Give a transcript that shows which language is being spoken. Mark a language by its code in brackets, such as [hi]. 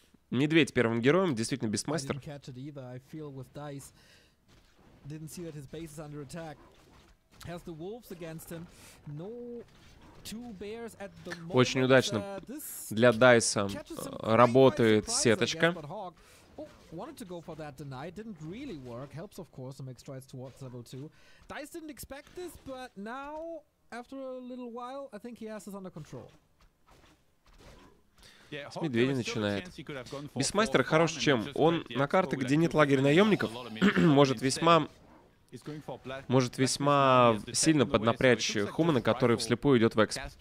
[ru] Медведь первым героем, действительно, бестмастер. [en] Didn't see that his base is under attack. Has the wolves against him. No two bears at the moment. [ru] Очень удачно для Дайса работает сеточка. [en] Wanted to go for that deny, didn't really work. Helps, of course, some extra strides towards level 2. Dice didn't expect this, but now, after a little while, I think he has this under control. [ru] С медведя начинает. Бестмастер хорош чем? Он на карты, где нет лагеря наемников, может весьма сильно поднапрячь Хумана, который вслепую идет в экс.